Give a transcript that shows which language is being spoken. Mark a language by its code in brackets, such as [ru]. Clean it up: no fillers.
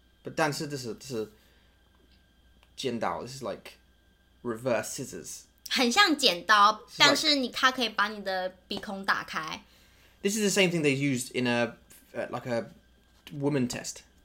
[en] But [zh] 但是这是 剪刀, [en] this is like reverse scissors. [zh] 很像剪刀, 但是它可以把你的鼻孔打开. [en] This is the same thing they used in a, like a woman test.